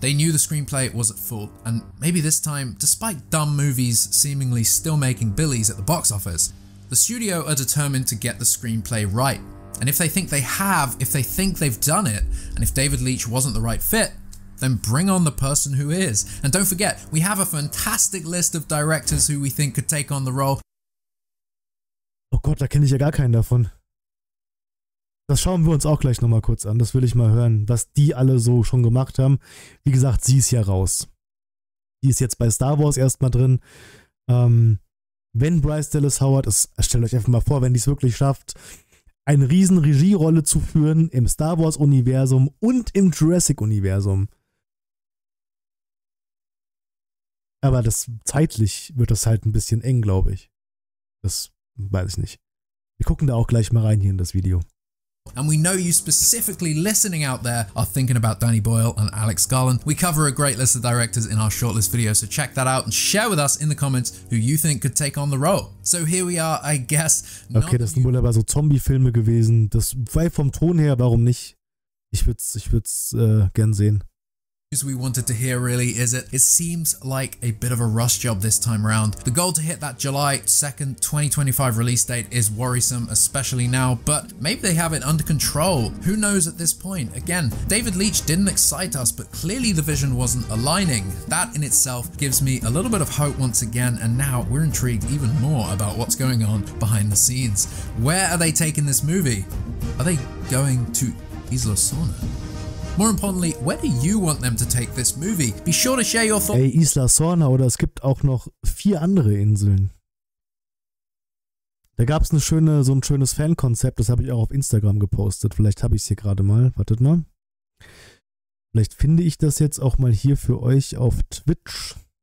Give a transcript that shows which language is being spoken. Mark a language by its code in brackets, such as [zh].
[en] They knew the screenplay was at fault, and maybe this time, despite dumb movies seemingly still making billies at the box office, the studio are determined to get the screenplay right. And if they think they have, if they think they've done it, and if David Leitch wasn't the right fit, then bring on the person who is. And don't forget, we have a fantastic list of directors who we think could take on the role. [de] Oh Gott, da kenne ich ja gar keinen davon. Das schauen wir uns auch gleich nochmal kurz an. Das will ich mal hören, was die alle so schon gemacht haben. Wie gesagt, sie ist ja raus. Die ist jetzt bei Star Wars erstmal drin. Wenn Bryce Dallas Howard, stellt euch einfach mal vor, wenn die es wirklich schafft, eine riesen Regierolle zu führen im Star Wars-Universum und im Jurassic-Universum. Aber das zeitlich wird das halt ein bisschen eng, glaube ich. Das weiß ich nicht. Wir gucken da auch gleich mal rein hier in das Video. [en] And we know you specifically listening out there are thinking about Danny Boyle and Alex Garland. We cover a great list of directors in our shortlist video, so check that out and share with us in the comments who you think could take on the role. So here we are, I guess. [de] Okay, das sind wohl aber so Zombie-Filme gewesen. Das war vom Ton her, warum nicht? Ich würd's gern sehen. [en] We wanted to hear really is it seems like a bit of a rush job this time around. The goal to hit that July 2nd 2025 release date is worrisome, especially now, but maybe they have it under control. Who knows at this point? Again, David Leitch didn't excite us, but clearly the vision wasn't aligning. That in itself gives me a little bit of hope once again, and now we're intrigued even more about what's going on behind the scenes. Where are they taking this movie? Are they going to Isla Sauna? More importantly, where do you want them to take this movie? Be sure to share your thoughts. [de] Hey, Isla Sauna, oder es gibt auch noch vier andere Inseln. Da gab es ein schönes Fankonzept, das habe ich auch auf Instagram gepostet. Vielleicht habe ich es hier gerade mal. Wartet mal. Vielleicht finde ich das jetzt auch mal hier für euch auf Twitch.